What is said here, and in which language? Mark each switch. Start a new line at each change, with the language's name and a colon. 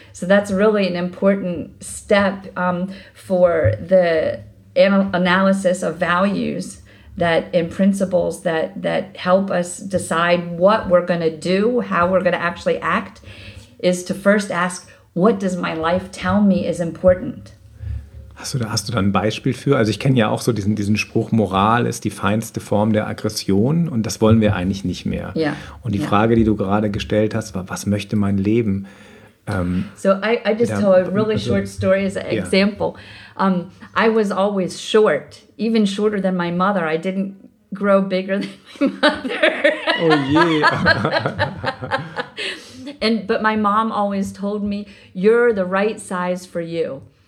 English: So that's really an important step for the analysis of values that and principles that help us decide what we're going to do, how we're going to actually act, is to first ask, what does my life tell me is important?
German: Hast du da ein Beispiel für? Also ich kenne ja auch so diesen Spruch, Moral ist die feinste Form der Aggression und das wollen wir eigentlich nicht mehr.
English: Yeah.
German: Und die Frage, die du gerade gestellt hast, war, was möchte mein Leben?
English: So I just tell a really short story as an example. I was always short, even shorter than my mother. I didn't grow bigger than my mother.
German: Oh je.
English: But my mom always told me, you're the right size for you.